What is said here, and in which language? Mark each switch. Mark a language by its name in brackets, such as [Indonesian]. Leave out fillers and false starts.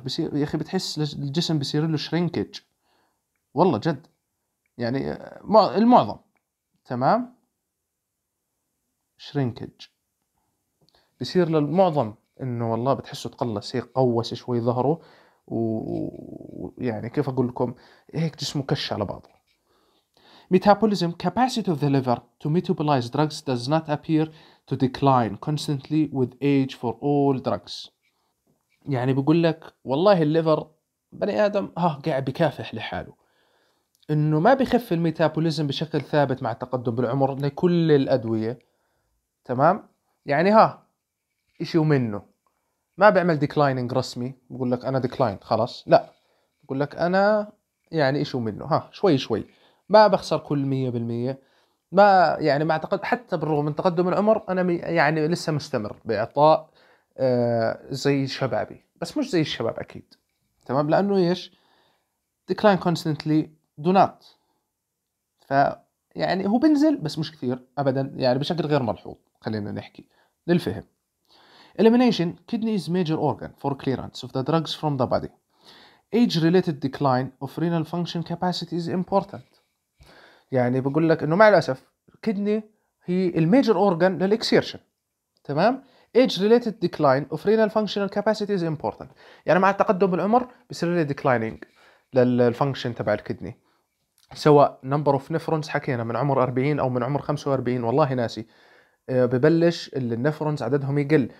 [Arabic] بصير يا أخي بتحس الجسم بصير له shrinkage، والله جد يعني المعظم تمام shrinkage بصير للمعظم إنه والله بتحسه تقلص، هيك قوس شوي ظهره ويعني كيف أقول لكم هيك جسمه كش على بعضه. [English] Metabolism capacity of the liver to metabolize drugs does not appear to decline constantly with age for all drugs. [Arabic] يعني بقول لك والله الليفر بني آدم قاعد بكافح لحاله، إنه ما بيخف الميتابوليزم بشكل ثابت مع التقدم بالعمر لكل الأدوية تمام. يعني إشي ومنه ما بيعمل declining رسمي، بقول لك أنا decline خلاص، لا بقول لك أنا يعني إشي ومنه شوي شوي، ما بخسر كل 100%، ما يعني ما اعتقد حتى بالرغم من تقدم العمر انا يعني لسه مستمر باعطاء زي شبابي، بس مش زي الشباب اكيد تمام، لانه ايش [English] decline constantly do not. [Arabic] ف يعني هو بنزل بس مش كثير ابدا، يعني بشكل غير ملحوظ. خلينا نحكي للفهم. [English] elimination kidney is major organ for clearance of the drugs from the body. age related decline of renal function capacity is important. [Arabic] يعني بقول لك انه مع الاسف كدني هي الميجر اورجان للاكسيرشن تمام. [English] age related decline of renal functional capacity is important، [Arabic] يعني مع التقدم بالعمر بيصير لي declining للفانكشن تبع الكدني، سواء [English] number of nephrons [Arabic] حكينا من عمر 40 او من عمر 45 والله ناسي، ببلش النفرونز عددهم يقل.